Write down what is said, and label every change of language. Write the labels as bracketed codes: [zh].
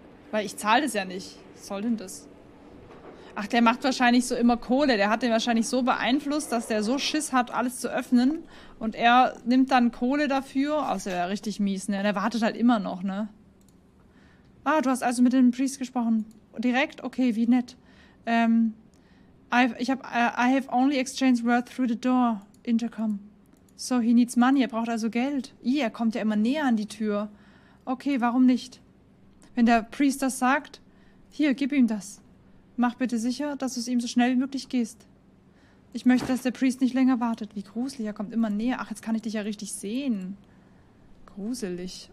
[de] Weil ich zahle das ja nicht. Was soll denn das? Ach, der macht wahrscheinlich so immer Kohle. Der hat den wahrscheinlich so beeinflusst, dass der so Schiss hat, alles zu öffnen. Und er nimmt dann Kohle dafür. Also, er wäre richtig mies, ne? Und er wartet halt immer noch, ne? Ah, du hast also mit dem Priest gesprochen. Direkt? Okay, wie nett. [en] I have only exchanged word through the door. Intercom. So, he needs money. [de] Er braucht also Geld. Ih, er kommt ja immer näher an die Tür. Okay, warum nicht? Wenn der Priest das sagt, hier, gib ihm das. Mach bitte sicher, dass du es ihm so schnell wie möglich gehst. Ich möchte, dass der Priest nicht länger wartet. Wie gruselig, er kommt immer näher. Ach, jetzt kann ich dich ja richtig sehen. Gruselig.